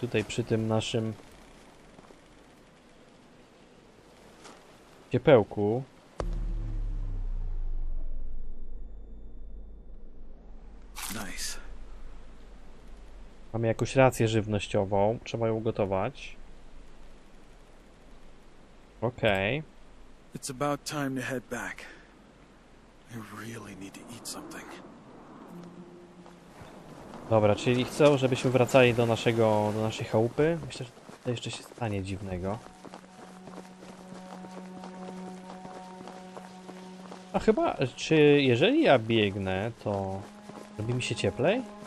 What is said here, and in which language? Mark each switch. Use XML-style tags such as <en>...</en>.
<pl>Tutaj przy tym naszym ciepełku.</pl> <en>Nice.</en> <pl>Mamy jakąś rację żywnościową, trzeba ją ugotować. Okej.</pl> <en>Okay. It's about time to head back. I really need to eat something.</en> <pl>Dobra, czyli chcę, żebyśmy wracali do naszego, do naszej chałupy. Myślę, że to jeszcze się stanie dziwnego. A chyba, czy jeżeli ja biegnę, to robi mi się cieplej?</pl>